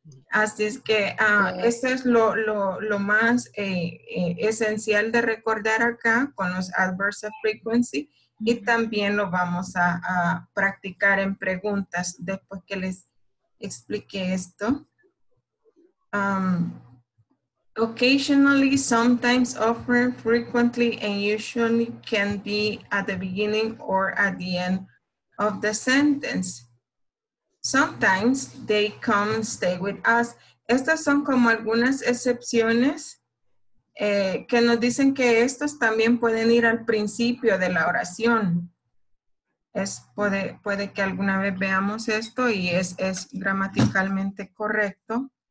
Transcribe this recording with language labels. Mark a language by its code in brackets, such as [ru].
[es] Así es que eso es lo más esencial de recordar acá con los adverbs of frequency. Y también lo vamos a practicar en preguntas después que les explique esto. [en] Occasionally, sometimes, often, frequently, and usually can be at the beginning or at the end of the sentence. Sometimes they come and stay with us. [es] Estas son como algunas excepciones que nos dicen que estos también pueden ir al principio de la oración. Puede que alguna vez veamos esto y es gramaticalmente correcto.